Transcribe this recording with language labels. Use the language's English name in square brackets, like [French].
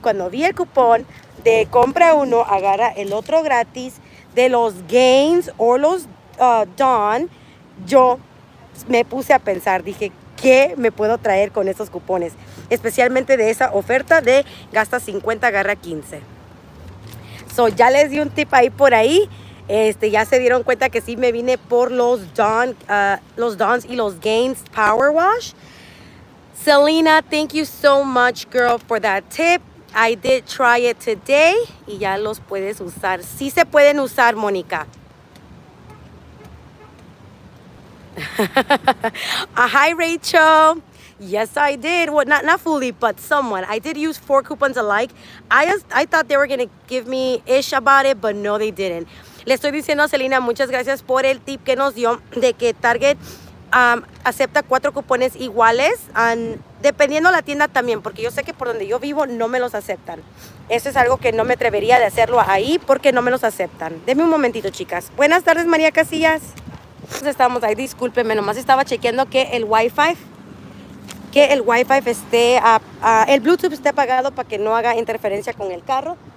[Spanish] Cuando vi el cupón de compra uno, agarra el otro gratis de los Gains o los Dawn, yo me puse a pensar, dije, ¿qué me puedo traer con estos cupones? Especialmente de esa oferta de gasta 50, agarra 15. So, ya les di un tip ahí por ahí. Ya se dieron cuenta que sí me vine por los Dawn, los Dawns y los Gains Power Wash. [English] Selena, thank you so much, girl, for that tip. I did try it today. [Spanish] Y ya los puedes usar. [English] Sí se pueden usar, Mónica. Hi, Rachel. Yes, I did. Well, not fully, but somewhat. I did use 4 coupons alike. I thought they were going to give me ish about it, but no, they didn't. [Spanish] Le estoy diciendo a Selena, muchas gracias por el tip que nos dio de que Target acepta 4 cupones iguales, dependiendo la tienda también, porque yo sé que por donde yo vivo no me los aceptan. Eso es algo que no me atrevería de hacerlo ahí porque no me los aceptan. Deme un momentito, chicas. Buenas tardes, María Casillas. Estamos ahí, discúlpenme, nomás estaba chequeando que el Wi-Fi, esté, el Bluetooth esté apagado para que no haga interferencia con el carro.